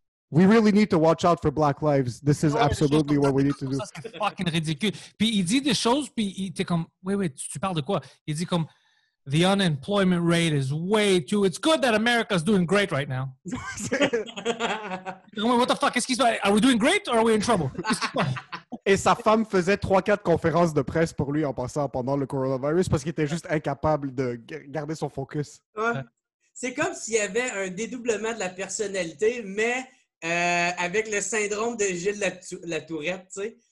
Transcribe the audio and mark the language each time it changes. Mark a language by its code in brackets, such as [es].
[en] We really need to watch out for Black Lives. This is absolutely what we need to do. [fr] Ça, c'est fucking ridicule. Puis il dit des choses, puis il était comme. Wait, tu parles de quoi? Il dit comme. [en] The unemployment rate is way too... It's good that America's doing great right now. What the fuck? Are we doing great or are we in trouble? [fr] Et sa femme faisait 3-4 conférences de presse pour lui en passant pendant le coronavirus parce qu'il était juste incapable de garder son focus. Ouais. C'est comme s'il y avait un dédoublement de la personnalité, mais avec le syndrome de Gilles la Tourette, tu sais.